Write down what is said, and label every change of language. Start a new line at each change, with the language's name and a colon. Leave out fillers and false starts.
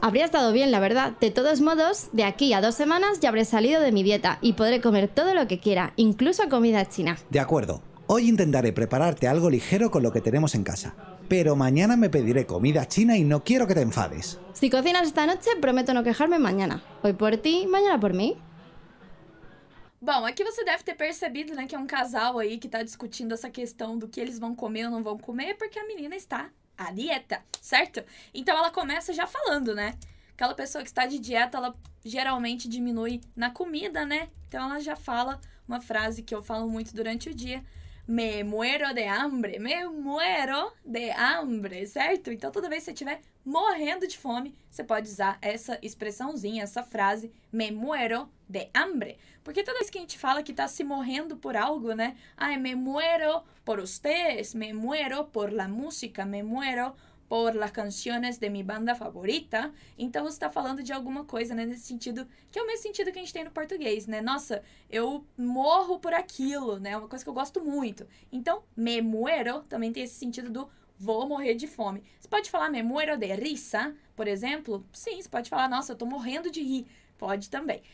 Spanish: Habría estado bien, la verdad. De todos modos, de aquí a 2 semanas ya habré salido de mi dieta y podré comer todo lo que quiera, incluso comida china. De acuerdo. Hoy intentaré prepararte algo ligero con lo que tenemos en casa. Pero mañana me pediré comida china y no quiero que te enfades. Si cocinas esta noche, prometo no quejarme mañana. Hoy por ti, mañana por mí.
Portuguese: Bom, aqui você deve ter percebido, né, que é um casal aí que tá discutindo essa questão do que eles vão comer ou não vão comer, porque a menina está à dieta, certo? Então ela começa já falando, né? Aquela pessoa que está de dieta, ela geralmente diminui na comida, né? Então ela já fala uma frase que eu falo muito durante o dia.
Spanish: Me muero de hambre, me muero de hambre, certo?
Portuguese: Então toda vez que você estiver morrendo de fome, você pode usar essa expressãozinha, essa frase,
Spanish: me muero de hambre.
Portuguese: Porque toda vez que a gente fala que está se morrendo por algo, né?
Spanish: Ai, me muero por ustedes, me muero por la música, me muero por las canciones de mi banda favorita.
Portuguese: Então você está falando de alguma coisa, né? Nesse sentido, que é o mesmo sentido que a gente tem no português, né? Nossa, eu morro por aquilo, né? É uma coisa que eu gosto muito. Então,
Spanish: me muero
Portuguese: também tem esse sentido do vou morrer de fome. Você pode falar
Spanish: me muero de risa,
Portuguese: por exemplo? Sim, você pode falar, nossa, eu tô morrendo de rir. Pode também.